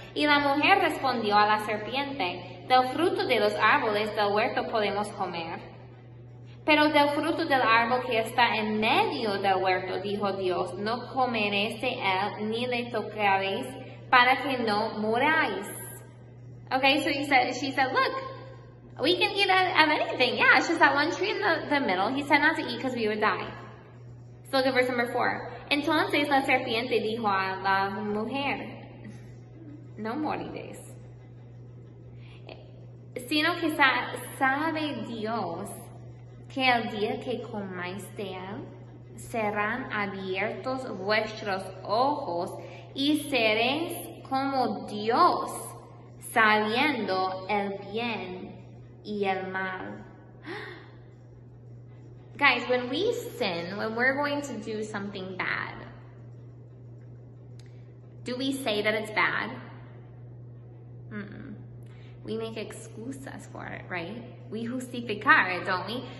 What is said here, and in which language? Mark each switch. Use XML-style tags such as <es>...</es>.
<es>Y la mujer respondió a la serpiente, del fruto de los árboles del huerto podemos comer. Pero del fruto del árbol que está en medio del huerto, dijo Dios, no comeréis de él ni le tocaréis para que no muráis.</es> <en>Okay, so she said, look, we can eat of anything. Yeah, it's just that one tree in the middle. He said not to eat because we would die. So look at verse number 4.</en> <es>Entonces la serpiente dijo a la mujer, no moriréis. Sino que sabe Dios que el día que comáis de él, serán abiertos vuestros ojos y seréis como Dios, sabiendo el bien y el mal.</es> <en>Guys, when we sin, when we're going to do something bad, do we say that it's bad? Mm-mm. We make excusas for it, right? We justificar it, don't we?</en>